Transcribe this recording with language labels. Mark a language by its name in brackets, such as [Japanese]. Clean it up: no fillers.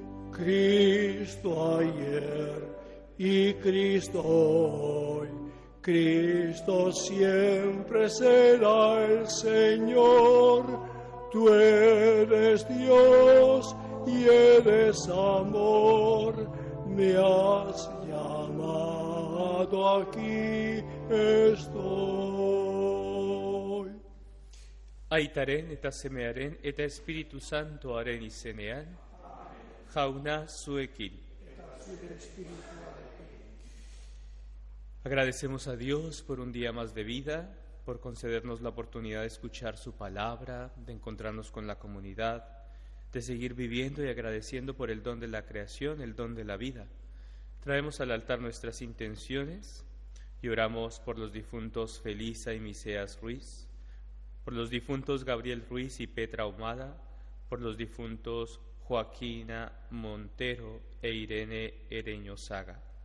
[Spanish] Cristo ayer y Cristo hoy, Cristo siempre será el Señor. Tú eres Dios y eres amor. Me has llamado, aquí estoy. [Basque] Aitaren eta semearen eta Espíritu Santoaren izenean, jauna zuekin. [Spanish] Agradecemos a Dios por un día más de vida, por concedernos la oportunidad de escuchar su palabra, de encontrarnos con la comunidad, de seguir viviendo y agradeciendo por el don de la creación, el don de la vida. Traemos al altar nuestras intenciones y oramos por los difuntos Felisa y Miseas Ruiz, por los difuntos Gabriel Ruiz y Petra Ahumada, por los difuntos Joaquina Montero e Irene Ereño Saga.